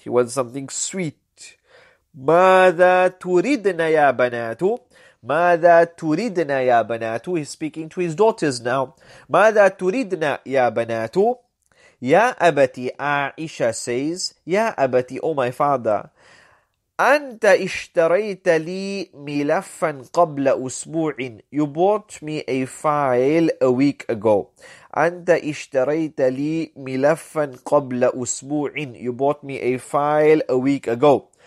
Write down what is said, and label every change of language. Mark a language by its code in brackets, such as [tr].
[en] He wants something sweet. [ar] ماذا تريدنا يا بنات؟ ماذا تريدنا يا بنات؟ [en] He's speaking to his daughters now. [ar] ماذا تريدنا يا بنات؟ يا أبتي, [en] Aisha says, [ar] يا أبتي, [en] oh my father, [ar] أنت اشتريت لي ملفا قبل أسبوع. [en] You bought me a file a week ago. [ar] أنت اشتريت لي ملفا قبل أسبوع. [en] You bought me a file a week ago.